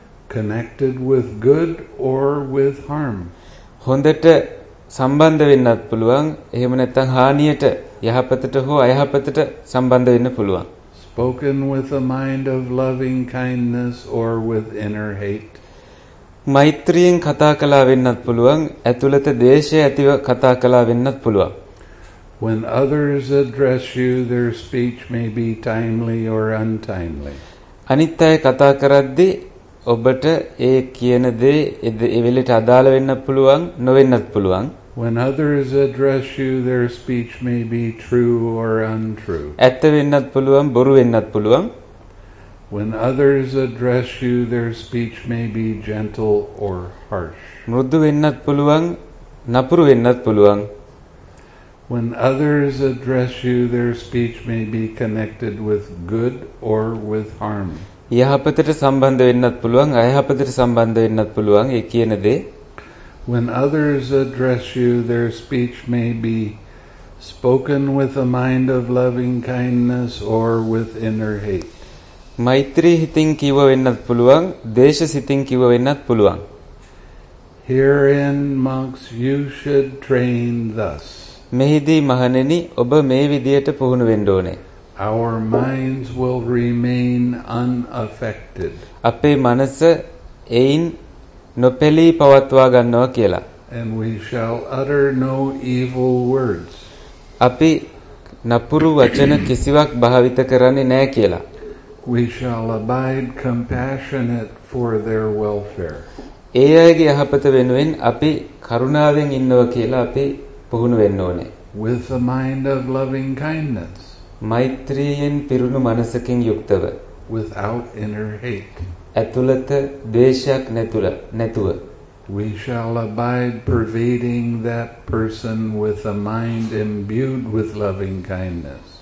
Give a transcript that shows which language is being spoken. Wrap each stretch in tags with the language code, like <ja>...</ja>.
<en>connected with good or with harm</en> <si>හොඳට සම්බන්ධ වෙන්නත් පුළුවන් එහෙම නැත්නම් හානියට යහපතට හෝ අයහපතට සම්බන්ධ වෙන්න පුළුවන්</si> <en>spoken with a mind of loving kindness or with inner hate</en> <si>මෛත්‍රියෙන් කතා කළා වෙන්නත් පුළුවන් ඇතුළත ද්වේෂය ඇතිව කතා කළා වෙන්නත් පුළුවන්</si> <en>when others address you their speech may be timely or untimely</en> <si>අනිත් අය කතා කරද්දී ඔබට ඒ කියන දේ ඒ වෙලෙට අදාළ වෙන්න පුළුවන් නොවෙන්නත් පුළුවන්</si> <en>When others address you their speech may be true or untrue</en> <si>ඇත්ත වෙන්නත් පුළුවන් බොරු වෙන්නත් පුළුවන්</si> <en>When others address you their speech may be gentle or harsh</en> <si>මෘදු වෙන්නත් පුළුවන් නපුරු වෙන්නත් පුළුවන්</si> <en>When others address you their speech may be connected with good or with harm</en> <si>යහපතට සම්බන්ධ වෙන්නත් පුළුවන් අයහපතට සම්බන්ධ වෙන්නත් පුළුවන් ඒ කියන දේ</si> <en>When others address you their speech may be spoken with a mind of loving kindness or with inner hate</en> <si>මෛත්‍රී හිතින් කිව වෙන්නත් පුළුවන් දේශසිතින් කිව වෙන්නත් පුළුවන්</si> <en>Herein monks you should train thus</en> <si>මෙහිදී මහණෙනි ඔබ මේ විදියට පුහුණු වෙන්න ඕනේ</si> <en>Our minds will remain unaffected.</en> <si>අපේ මනස එයින් නොපෙළී පවත්වා ගන්නවා කියලා.</si> <en>And we shall utter no evil words.</en> <si>අපි නපුරු වචන කිසිවක් භාවිත කරන්නේ නැහැ කියලා.</si> <en>We shall abide compassionate for their welfare.</en> <si>ඒ අයගේ යහපත වෙනුවෙන් අපි කරුණාවෙන් ඉන්නවා කියලා අපි පුහුණු වෙන්න ඕනේ.</si> <en>With a mind of loving kindness.</en> <si>මෛත්‍රියෙන් පිරුණු මනසකින් යුක්තව</si> <en>without inner hate</en> <si>ඇතුළත ද්වේෂයක් නැතුව</si> <en>we shall abide pervading that person with a mind imbued with loving kindness</en>